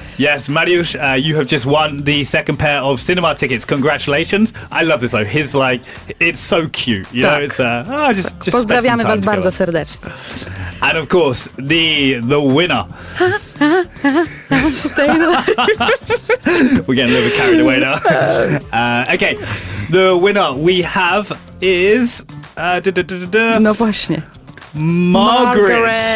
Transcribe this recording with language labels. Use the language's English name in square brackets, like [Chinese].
[English] Yes, Mariusz, you have just won the second pair of cinema tickets. Congratulations. I love this though. He's like, it's so cute. You [Polish] tak. [English] Know, it's just [Polish] pozdrawiamy was bardzo serdecznie. [English] And of course, the winner. We're getting a little bit carried away now. Okay, the winner we have is... [Polish] No właśnie. [English] Margaret.